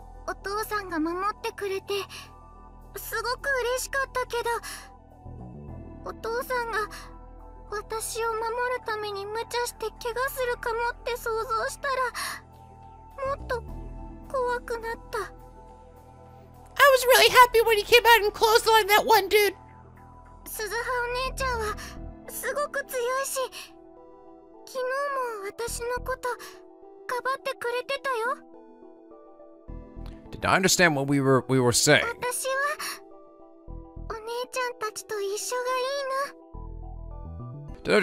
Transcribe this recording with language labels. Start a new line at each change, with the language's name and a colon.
Japanese: お父さんが守ってくれてすごく嬉しかったけど、お父さんが私を守るために無茶して怪我するかもって想像したらもっと怖くなった。
English: I was really happy when he came out and clotheslined that one dude.
Japanese: 鈴葉お姉ちゃんはすごく強いし、昨日も私のことかばってくれてたよ。
English: Did I understand what we were saying?
Japanese: 私はお姉ちゃんたちと一緒がいいな。